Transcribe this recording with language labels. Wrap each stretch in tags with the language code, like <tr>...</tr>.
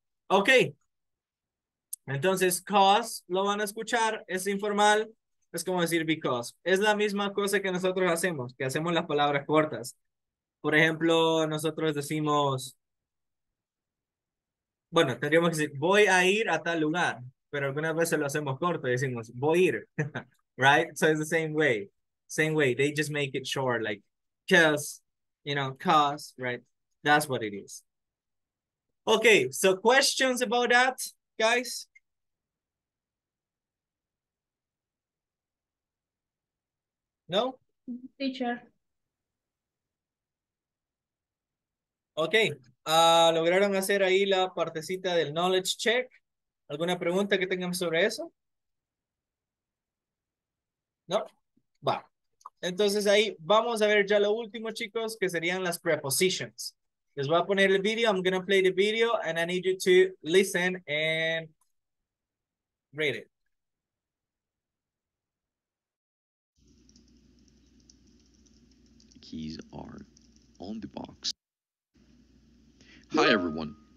<es>Okay, entonces cause lo van a escuchar, es informal, es como decir because, es la misma cosa que nosotros hacemos, que hacemos las palabras cortas. Por ejemplo, nosotros decimos, bueno, tendríamos que decir voy a ir a tal lugar, pero algunas veces lo hacemos corto y decimos voy a ir, right?</es> <en>So it's the same way, they just make it short, like cause, right? That's what it is. Okay, so questions about that, guys? No? Teacher.</en> <es>Okay, ¿lograron hacer ahí la partecita del knowledge check? ¿Alguna pregunta que tengan sobre eso? No? Va. Entonces ahí vamos a ver ya lo último, chicos, que serían las prepositions. Les voy a poner el video,</es> <en>I'm going to play the video, and I need you to listen and read it. Keys are on the box. Hi everyone.</en>